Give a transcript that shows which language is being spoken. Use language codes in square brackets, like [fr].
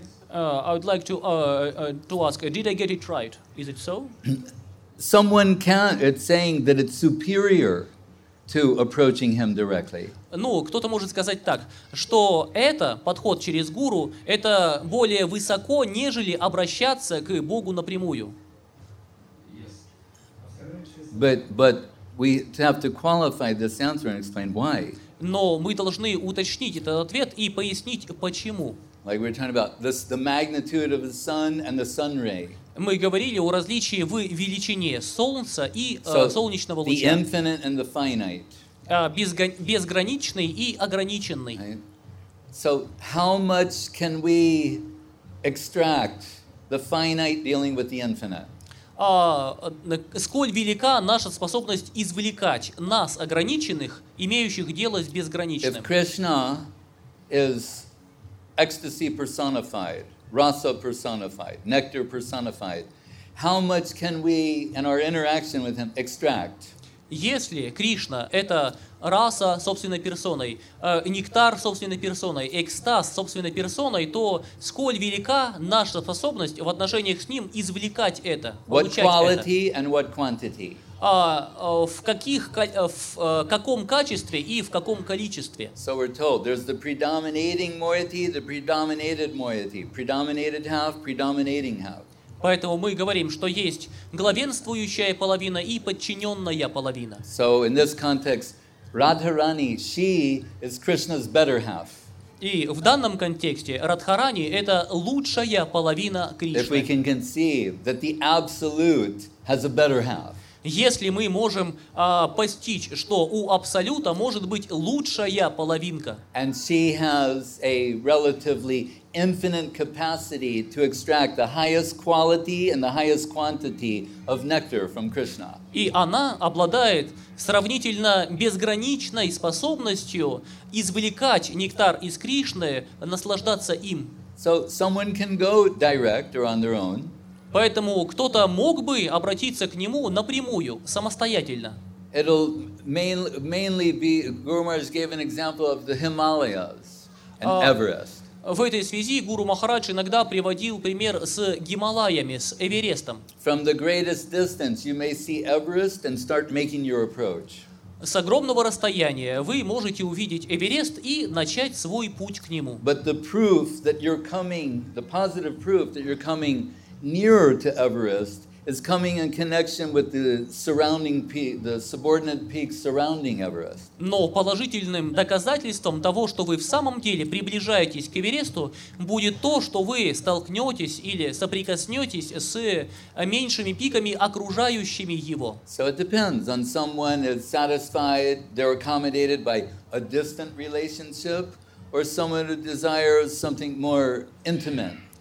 [en] I would like to ask, did I get it right? Is it so? Someone can't. It's saying that it's superior to approaching him directly. [ru] Ну, кто-то может сказать так, что это подход через гуру, это более высоко, нежели обращаться к Богу напрямую. [en] But we have to qualify this answer and explain why. [ru] Но мы должны уточнить этот ответ и пояснить почему. [en] Like we're talking about this, the magnitude of the sun and the sun ray. [ru] Мы говорили о различии в величине солнца и солнечного луча. [en] The infinite and the finite. [ru] Безграничный и ограниченный. [en] Right. So how much can we extract the finite dealing with the infinite? [ru] Сколь велика наша способность извлекать нас, ограниченных, имеющих дело с безграничным? [en] If Krishna is ecstasy personified, rasa personified, nectar personified, how much can we, in our interaction with him, extract? [ru] Если Кришна — это раса собственной персоной, нектар собственной персоной, экстаз собственной персоной, то сколь велика наша способность в отношениях с ним извлекать это, получать это? В каком качестве и в каком количестве? [en] So we're told, there's the predominating moiety, the predominated moiety, predominated half, predominating half. [ru] Поэтому мы говорим, что есть главенствующая половина и подчиненная половина. [en] So in this context, Radharani, she is Krishna's better half. [ru] И в данном контексте Радхарани — это лучшая половина Кришны. [en] If we can conceive that the absolute has a better half. [ru] Если мы можем постичь, что у Абсолюта может быть лучшая половинка. [en] And she has a relatively infinite capacity to extract the highest quality and the highest quantity of nectar from Krishna. [ru] И она обладает сравнительно безграничной способностью извлекать нектар из Кришны, наслаждаться им. [en] So someone can go direct or on their own. [ru] Поэтому кто-то мог бы обратиться к нему напрямую, самостоятельно. [en] It'll mainly be, Guru Maharaj gave an example of the Himalayas and Everest. [ru] В этой связи Гуру Махарадж иногда приводил пример с Гималаями, с Эверестом. [en] From the greatest distance, you may see Everest and start making your approach. [ru] С огромного расстояния вы можете увидеть Эверест и начать свой путь к нему. [en] But the proof that you're coming, the positive proof that you're coming nearer to Everest is coming in connection with the surrounding peak, the subordinate peaks surrounding Everest. [ru] Но положительным доказательством того, что вы в самом деле приближаетесь к Эвересту, будет то, что вы столкнетесь или соприкоснетесь с меньшими пиками, окружающими его. [en] So it depends on someone is satisfied, they're accommodated by a distant relationship, or someone who desires something more intimate.